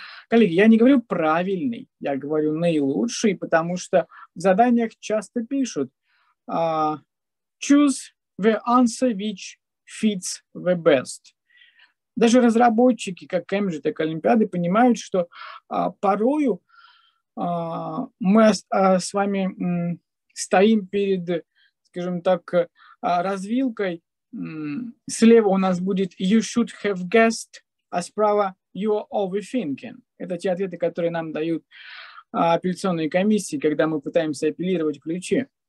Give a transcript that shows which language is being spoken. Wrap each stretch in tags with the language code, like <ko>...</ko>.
<ru>Коллеги, я не говорю правильный, я говорю наилучший, потому что в заданиях часто пишут</ru> <en>choose the answer which fits the best.</en> <ru>Даже разработчики, как Кембриджа, так и Олимпиады, понимают, что порою мы с вами стоим перед, скажем так, развилкой. Слева у нас будет</ru> <en>you should have guessed,</en> <ru>а справа</ru> <en>you are overthinking.</en> <ru>Это те ответы, которые нам дают апелляционные комиссии, когда мы пытаемся апеллировать ключи.</ru>